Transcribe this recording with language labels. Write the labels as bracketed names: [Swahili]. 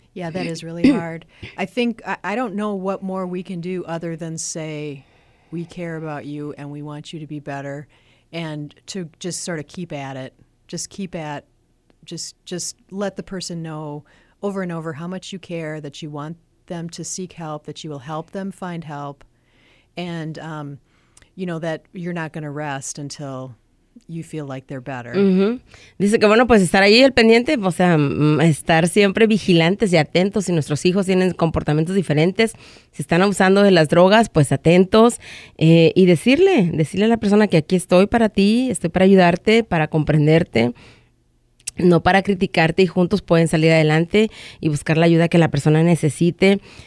[English] Yeah, that is really hard. I think, I don't know what more we can do other than say, we care about you and we want you to be better and to just sort of keep at it. Just keep at, just let the person know over and over how much you care, that you want them to seek help, that you will help them find help. And, you know, that you're not going to rest until you feel like they're better. Mm-hmm. [Spanish] Dice que bueno, pues estar ahí el pendiente, o sea, estar siempre vigilantes y atentos. Si nuestros hijos tienen comportamientos diferentes, si están abusando de las drogas, pues atentos. Y decirle a la persona que aquí estoy para ti, estoy para ayudarte, para comprenderte, no para criticarte, y juntos pueden salir adelante y buscar la ayuda que la persona necesite.